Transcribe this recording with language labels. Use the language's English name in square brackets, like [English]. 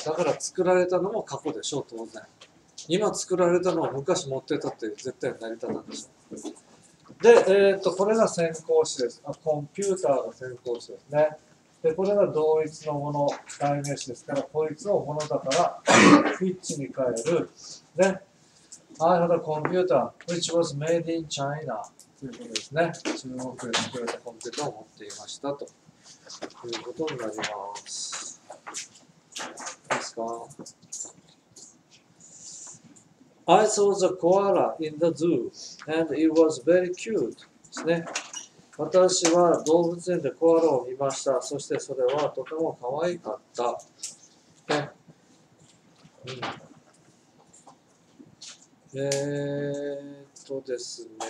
[Japanese] だから作られたのも過去でしょう、当然。今作られたのは昔持ってたって絶対成り立たんでしょう。で、これが先行詞です。あ、コンピューターが先行詞ですね。で、これが同一のもの、代名詞ですから、こいつをものだから、フィッチに変える。ね。 [English] I had a computer, which was made in China. [Japanese] ということですね。中国で作られたコンピューターを持っていました。ということになります。いいですか？ [English] I saw the koala in the zoo, and it was very cute. [Japanese] ですね。私は動物園でコアラを見ました。そしてそれはとても可愛かった。ね、うん、ですね。